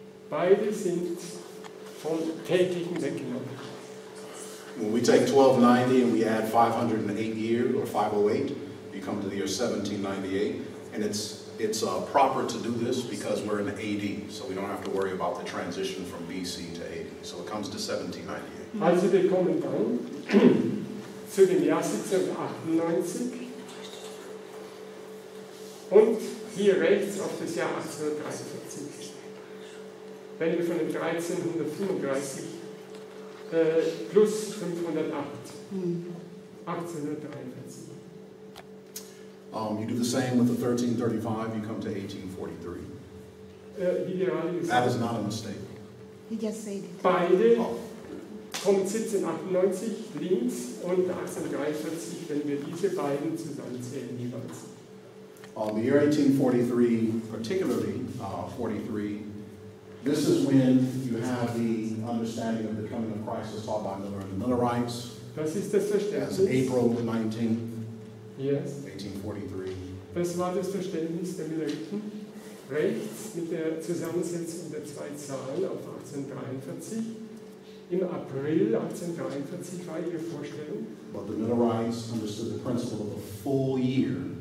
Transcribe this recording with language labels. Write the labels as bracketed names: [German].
[German] Beide sind vom täglichen weggenommen. [English] When we take 1290 and we add 508 years or 508, you come to the year 1798, and it's proper to do this because we're in AD, so we don't have to worry about the transition from BC to AD. So it comes to 1798. [German] Also wir kommen dann zu dem Jahr 1798 und hier rechts auf das Jahr 1843. Wenn wir von dem 1335 plus 508, 1843. [English] You do the same with the 1335, you come to 1843. That is not a mistake. He just said it. [German] Beide. Kommt 1798 links und 1843, wenn wir diese beiden zusammenzählen jeweils. [English] The year 1843, particularly 43, this is when you have the understanding of the coming of Christ as taught by Miller and the Millerites. [German] Das ist das Verständnis. [English] As April 19, yes. 1843. [German] Das war das Verständnis der Milleriten. Rechts mit der Zusammensetzung der zwei Zahlen auf 1843. Im April 1843 war ihre Vorstellung. [English] But the Millerites understood the principle of a full year.